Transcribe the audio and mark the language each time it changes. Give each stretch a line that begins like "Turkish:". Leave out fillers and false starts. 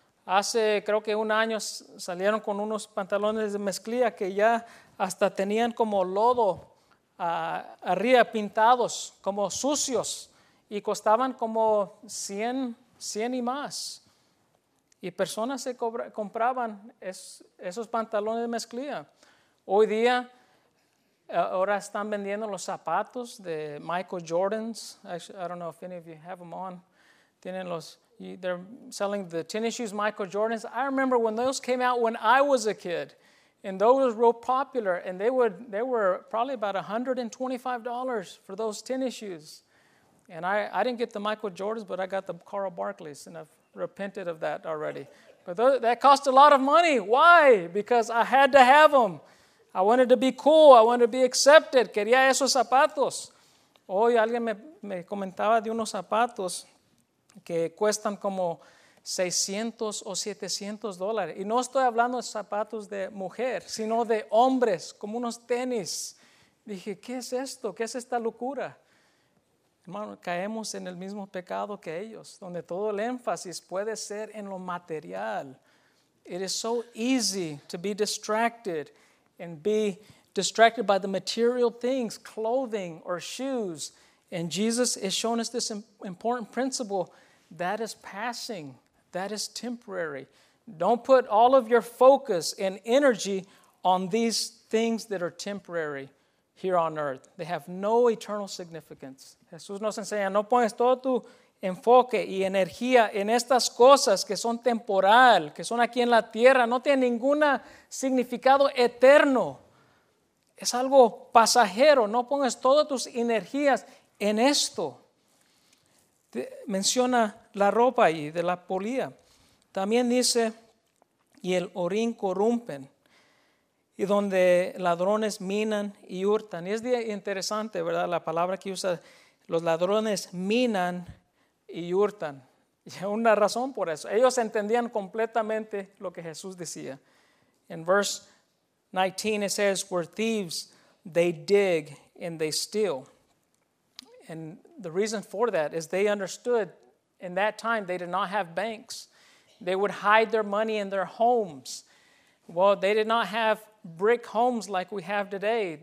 Spanish: Hace creo que un año salieron con unos pantalones de mezclilla que ya hasta tenían como lodo arriba pintados, como sucios, y costaban como 100 y más. Y personas se compraban esos pantalones de mezclilla. Hoy día, ahora están vendiendo los zapatos de Michael Jordan's.
English: Actually, I don't know if any of you have them on.
Spanish: Tienen los,
English: they're selling the tennis shoes Michael Jordan's. I remember when those came out when I was a kid, and those were real popular, and they were probably about $125 for those tennis shoes. And I didn't get the Michael Jordans, but I got the Carl Barkley's, and I've repented of that already. But that cost a lot of money. Why? Because I had to have them. I wanted to be cool. I wanted to be accepted.
Spanish: Quería esos zapatos. Hoy alguien me comentaba de unos zapatos que cuestan como $600 o $700. Y no estoy hablando de zapatos de mujer, sino de hombres, como unos tenis. Dije, ¿qué es esto? ¿Qué es esta locura? Hermano, caemos en el mismo pecado que ellos, donde todo el énfasis puede ser en lo material.
English: It is so easy to be distracted and be distracted by the material things, clothing or shoes. And Jesus has shown us this important principle that is passing, that is temporary. Don't put all of your focus and energy on these things that are temporary here on earth. They have no eternal significance.
Spanish: Jesús nos enseña, no pones todo tu enfoque y energía en estas cosas que son temporal, que son aquí en la tierra, no tienen ningún significado eterno. Es algo pasajero, no pones todas tus energías en esto. Menciona la ropa y de la polía. También dice, y el orín corrompen, y donde ladrones minan y hurtan. Y es interesante, ¿verdad? La palabra que usa, los ladrones minan y hurtan. Y hay una razón por eso. Ellos entendían completamente lo que Jesús decía.
English: En verse 19, it says, where thieves, they dig and they steal. And the reason for that is they understood in that time they did not have banks. They would hide their money in their homes. Well, they did not have brick homes like we have today.